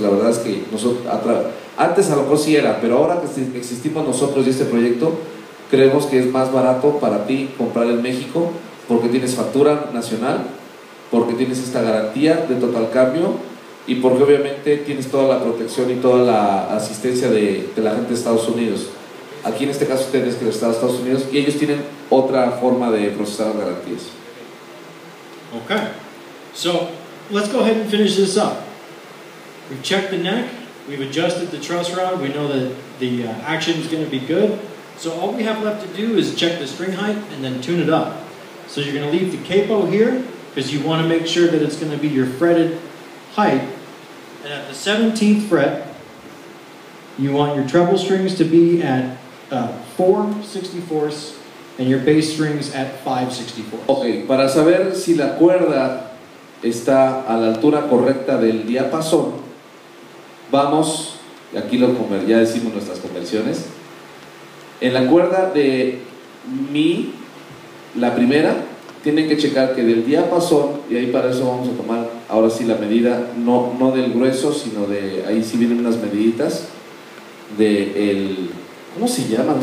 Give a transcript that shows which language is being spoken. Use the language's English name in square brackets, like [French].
[Spanish] La verdad es que nosotros, antes a lo mejor sí era, pero ahora que existimos nosotros y este proyecto, creemos que es más barato para ti comprar en México porque tienes factura nacional, porque tienes esta garantía de total cambio y porque obviamente tienes toda la protección y toda la asistencia de la gente de Estados Unidos. Aquí en este caso tienes que estar a Estados Unidos y ellos tienen otra forma de procesar garantías. [English] Okay. So, let's go ahead and finish this up. We've checked the neck, we've adjusted the truss rod, we know that the action is going to be good. So all we have left to do is check the string height and then tune it up. So you're going to leave the capo here because you want to make sure that it's going to be your fretted height. And at the 17th fret, you want your treble strings to be at 4/64 and your bass strings at 5/64. [Spanish] Okay, para saber si la cuerda está a la altura correcta del diapasón, vamos, aquí lo ya decimos nuestras conversiones. En la cuerda de mi, la primera, tienen que checar que del diapasón, y ahí para eso vamos a tomar ahora sí la medida, no del grueso, sino de, ahí sí vienen unas mediditas, de el, ¿cómo se llama?